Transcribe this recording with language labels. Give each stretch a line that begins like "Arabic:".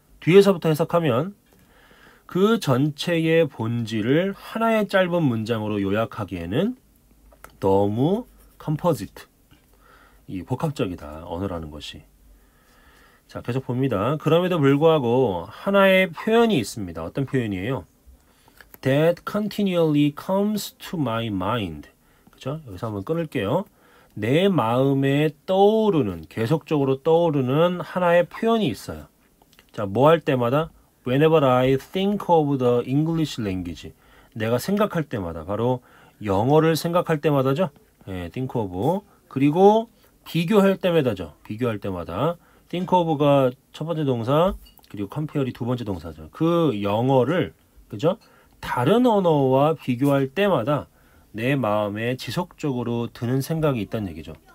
Korean: 뒤에서부터 해석하면 그 전체의 본질을 하나의 짧은 문장으로 요약하기에는 너무 composite, 이 복합적이다, 언어라는 것이. 자, 계속 봅니다. 그럼에도 불구하고 하나의 표현이 있습니다. 어떤 표현이에요?
English: That continually comes to my mind.
Korean: 그죠? 여기서 한번 끊을게요. 내 마음에 떠오르는, 계속적으로 떠오르는 하나의 표현이 있어요. 자, 뭐 할 때마다?
English: Whenever I think of the English language.
Korean: 내가 생각할 때마다, 바로 영어를 생각할 때마다죠?
English: 예, think of.
Korean: 그리고 비교할 때마다죠. 비교할 때마다.
English: think of
Korean: 가 첫 번째 동사, 그리고 compare이 두 번째 동사죠. 그 영어를, 그죠? 다른 언어와 비교할 때마다 내 마음에 지속적으로 드는 생각이 있다는 얘기죠.